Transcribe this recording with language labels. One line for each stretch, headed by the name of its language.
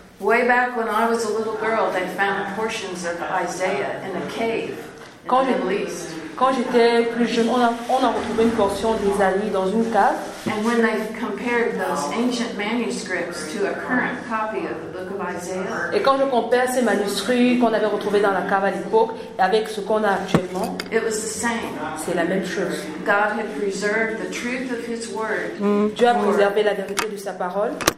English: Way back when I was a little girl, they found portions of Isaiah in a cave in the Middle East.
French: Quand j'étais plus jeune, on a retrouvé une portion d'Isaïe dans une cave.
English: And when they compared those ancient manuscripts to a current copy of the Book of Isaiah.
French: Et quand je compare ces manuscrits qu'on avait retrouvés dans la cave à l'époque et avec ce qu'on a actuellement,
English: it was the same.
French: C'est la même chose.
English: God had preserved the truth of His word.
French: Dieu a préservé la vérité de sa parole.